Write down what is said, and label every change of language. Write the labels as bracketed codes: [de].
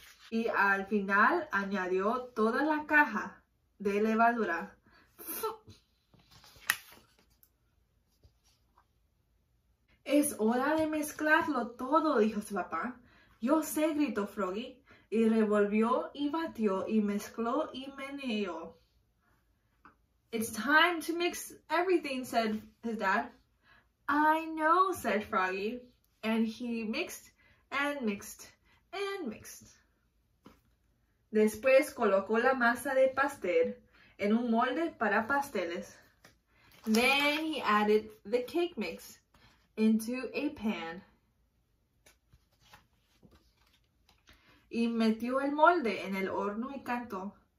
[es] Y al final añadió toda la caja de levadura. Es hora de mezclarlo todo, dijo su papá. Yo sé, gritó Froggy. Y revolvió y batió y mezcló y meneó. [en] It's time to mix everything, said his dad. I know, said Froggy. And he mixed and mixed and mixed. [es] Después colocó la masa de pastel en un molde para pasteles. [en] Then he added the cake mix into a pan. [es] Y metió el molde en el horno y cantó.